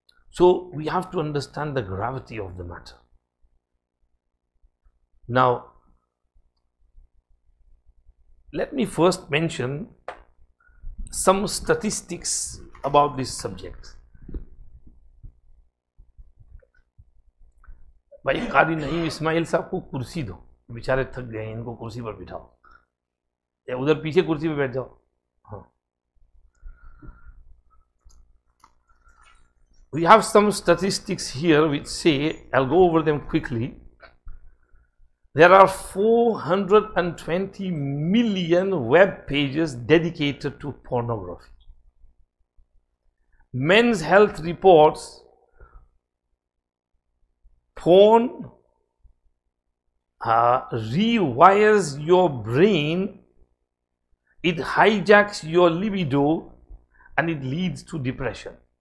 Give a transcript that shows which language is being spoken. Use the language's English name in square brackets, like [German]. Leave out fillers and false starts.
[English] So we have to understand the gravity of the matter. Now, let me first mention some statistics about this subject. [Urdu] بھائی قاری نعیم اسماعیل صاحب کو کرسی دو بیچارے تھک گئے ہیں ان کو کرسی پر بٹھاؤ یا ادھر پیچھے کرسی پر بیٹھ جاؤ [English] We have some statistics here which say, I'll go over them quickly. There are 420 million web pages dedicated to pornography. Men's Health reports porn rewires your brain, it hijacks your libido, and it leads to depression.